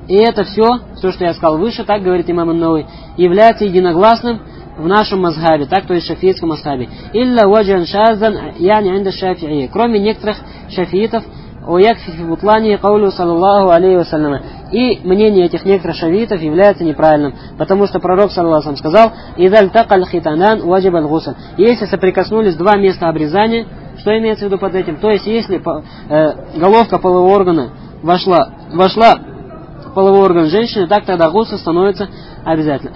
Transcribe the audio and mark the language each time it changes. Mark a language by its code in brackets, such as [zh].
[ru] И это все, что я сказал выше, так говорит имам ан-Науи, является единогласным в нашем мазхабе, так, то есть в шафиитском мазхабе. [ar] إِلَّا وَجْهًا شَاذًا يَعْنِ عِنْدَ الشَّافِعِيِّ. [ru] Кроме некоторых шафиитов, [ar] وَيَكْفِي بُطْلَانِهِ قَوْلُهُ صَلَى اللَّهُ عَلَيْهِ وَسَلَّمَ. [ru] И мнение этих некоторых шафиитов является неправильным, потому что пророк, саллаллаху алейхи ва саллям, сказал, [ar] إِذَا الْتَقَى الْخِتَانَانِ وَجِبَ الْغُسْلُ. [ru] Если соприкоснулись два места обрезания, что имеется в виду под этим? То есть, если головка полового органа вошла в половой орган женщины, так тогда гусль становится обязательным.